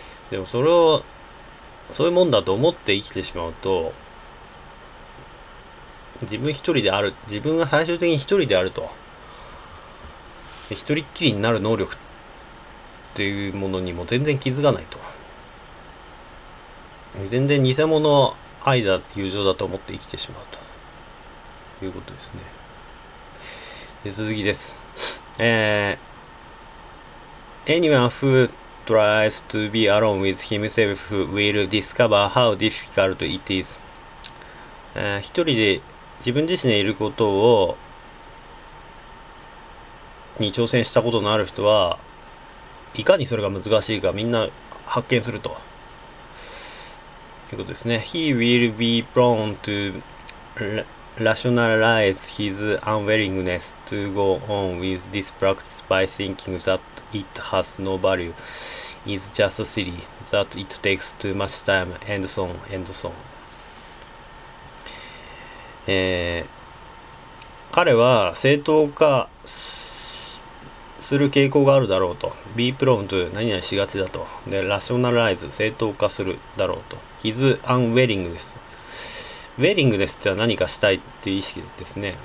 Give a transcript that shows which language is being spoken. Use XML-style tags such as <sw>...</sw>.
<ja>でもそれを、そういうもんだと思って生きてしまうと、自分一人である、自分が最終的に一人であると。一人っきりになる能力っていうものにも全然気づかないと。全然偽物、愛だ、友情だと思って生きてしまうということですね。で、続きです。</ja> <en>Anyone who tries to be alone with himself will discover how difficult it is。</en> <ja>一人で自分自身でいることを、に挑戦したことのある人は、いかにそれが難しいかみんな発見すると。ということですね。</ja> <en>He will be prone to rationalize his unwillingness to go on with this practice by thinking that it has no value, is just silly, that it takes too much time, and so on, and so on。</en> <ja>彼は正当化する傾向があるだろうと。</ja> <en>be prone to</en> <ja>何々しがちだと。で、rationalize 正当化するだろうと。</ja> <en>his unwillingness。</en> <ja>willingness って何かしたいっていう意識ですね。</ja>